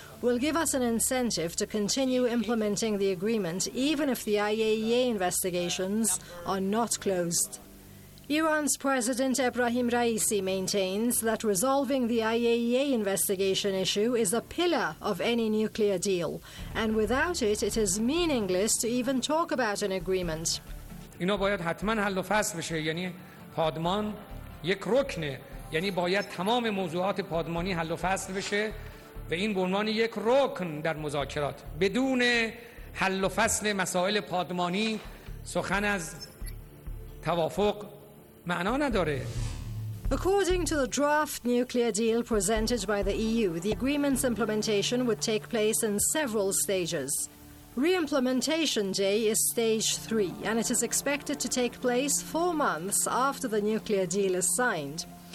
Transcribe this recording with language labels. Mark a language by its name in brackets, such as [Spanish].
[English] will give us an incentive to continue implementing the agreement, even if the IAEA investigations are not closed. Iran's President Ebrahim Raisi maintains that resolving the IAEA investigation issue is a pillar of any nuclear deal, and without it, it is meaningless to even talk about an agreement. [Persian] اینا باید حتما حل و فصل بشه، یعنی پادمان یک رکنه، یعنی باید تمام موضوعات پادمانی حل و فصل بشه و این به عنوان یک رکن در مذاکرات. بدون حل و فصل مسائل پادمانی سخن از توافق معنا نداره. [English] According to the draft nuclear deal presented by the EU, the agreement's implementation would take place in several stages. Re-implementation day is stage 3, and it is expected to take place 4 months after the nuclear deal is signed.